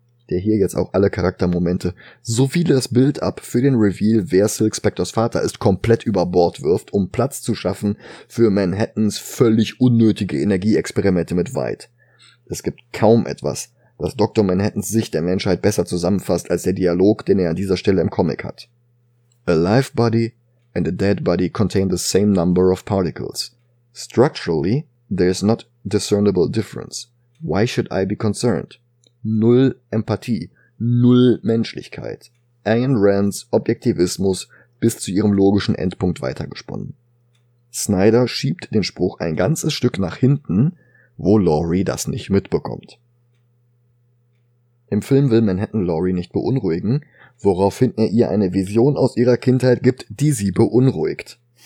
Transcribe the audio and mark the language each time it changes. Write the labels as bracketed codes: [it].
[de] Der hier jetzt auch alle Charaktermomente sowie das Build-up für den Reveal, wer Silk Spectres Vater ist, komplett über Bord wirft, um Platz zu schaffen für Manhattans völlig unnötige Energieexperimente mit White. Es gibt kaum etwas, das Dr. Manhattans Sicht der Menschheit besser zusammenfasst als der Dialog, den er an dieser Stelle im Comic hat. [en] A live body and a dead body contain the same number of particles. Structurally, there is not discernible difference. Why should I be concerned? [de] Null Empathie, null Menschlichkeit. Ayn Rands Objektivismus bis zu ihrem logischen Endpunkt weitergesponnen. Snyder schiebt den Spruch ein ganzes Stück nach hinten, wo Laurie das nicht mitbekommt. Im Film will Manhattan Laurie nicht beunruhigen, woraufhin er ihr eine Vision aus ihrer Kindheit gibt, die sie beunruhigt.